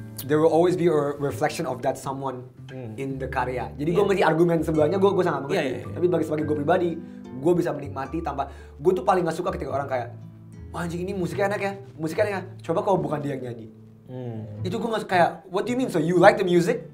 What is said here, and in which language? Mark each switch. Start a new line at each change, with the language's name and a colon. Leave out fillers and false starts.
English: there will always be a reflection of that someone in the karya.
Indonesian: Jadi gue ngerti argumen sebelahnya, gue sangat mengerti. Tapi sebagai gue pribadi, gue bisa menikmati tanpa, gue tuh paling gak suka ketika orang kayak, wah anjing ini musiknya enak ya, coba kalau bukan dia yang nyanyi. Itu gue gak kayak,
English: what do you mean? So you like the music?